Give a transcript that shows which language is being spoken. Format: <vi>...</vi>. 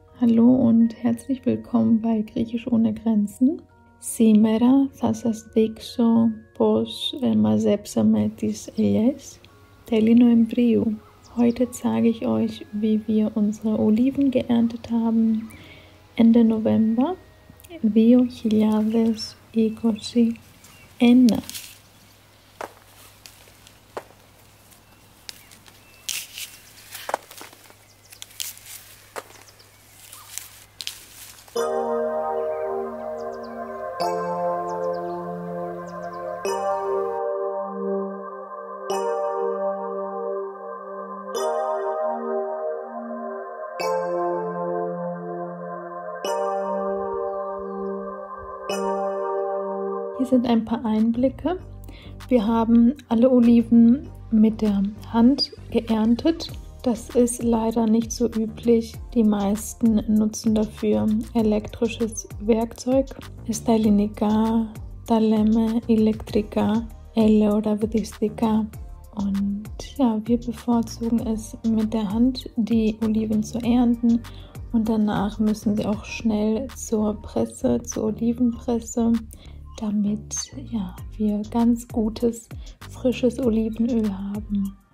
<de>Hallo und herzlich willkommen bei Griechisch ohne Grenzen.</de> <el>Σήμερα θα σας δείξω πώς μαζέψαμε τις ελιές τέλη Νοεμβρίου.</el> <de>Heute zeige ich euch, wie wir unsere Oliven geerntet haben Ende November 2021. Hier sind ein paar Einblicke. Wir haben alle Oliven mit der Hand geerntet. Das ist leider nicht so üblich. Die meisten nutzen dafür elektrisches Werkzeug.</de> <el>Στα ελληνικά τα λέμε ηλεκτρικά, ελαιοραβδιστικά.</el> <de>Und ja, wir bevorzugen es, mit der Hand die Oliven zu ernten. Und danach müssen sie auch schnell zur Presse, zur Olivenpresse, damit ja, wir ganz gutes, frisches Olivenöl haben.</de>